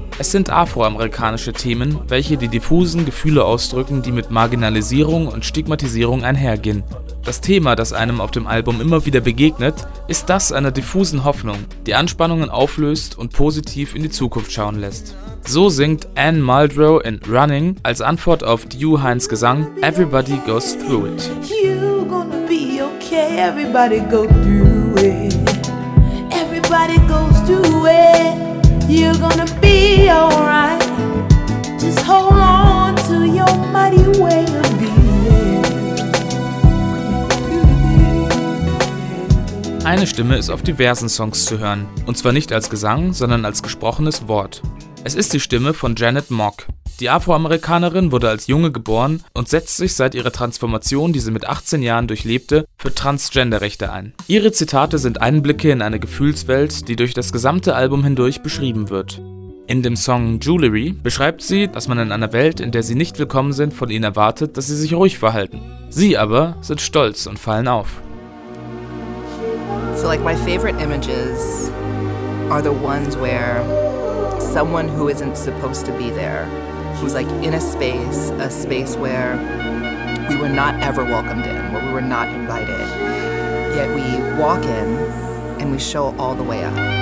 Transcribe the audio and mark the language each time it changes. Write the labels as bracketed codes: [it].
[de] Es sind afroamerikanische Themen, welche die diffusen Gefühle ausdrücken, die mit Marginalisierung und Stigmatisierung einhergehen. Das Thema, das einem auf dem Album immer wieder begegnet, ist das einer diffusen Hoffnung, die Anspannungen auflöst und positiv in die Zukunft schauen lässt. So singt Ann Muldrow in Running als Antwort auf Dew Hines Gesang Everybody Goes Through It. [en] You're gonna be okay, everybody go through it. Everybody goes through it. You're gonna be alright. Just hold on to your mighty way of being. [de] Eine Stimme ist auf diversen Songs zu hören, und zwar nicht als Gesang, sondern als gesprochenes Wort. Es ist die Stimme von Janet Mock. Die Afroamerikanerin wurde als Junge geboren und setzt sich seit ihrer Transformation, die sie mit 18 Jahren durchlebte, für Transgender-Rechte ein. Ihre Zitate sind Einblicke in eine Gefühlswelt, die durch das gesamte Album hindurch beschrieben wird. In dem Song Jewelry beschreibt sie, dass man in einer Welt, in der sie nicht willkommen sind, von ihnen erwartet, dass sie sich ruhig verhalten. Sie aber sind stolz und fallen auf. [en] So like my favorite images are the ones where someone who isn't supposed to be there, who's like in a space where we were not ever welcomed in, where we were not invited. Yet we walk in and we show all the way up.